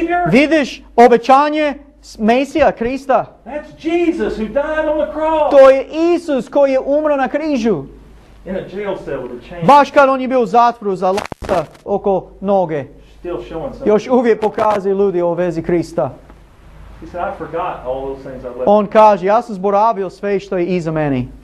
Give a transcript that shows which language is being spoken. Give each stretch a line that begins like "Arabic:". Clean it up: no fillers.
Croatian: Vidiš obećanje Mesija, Krista.
English: That's Jesus who died on the cross.
Croatian: To je Isus koji je umro na križu.
English: In a jail cell with a chain.
Croatian: Baš kad on je bio u zatvoru za lanca oko noge.
English: Still showing something.
Croatian: Još uvijek pokazuje ljudi o vezi Krista.
English: He said, I forgot all those things I've left.
Croatian: On kaže, ja sam zaboravio sve što je iza meni.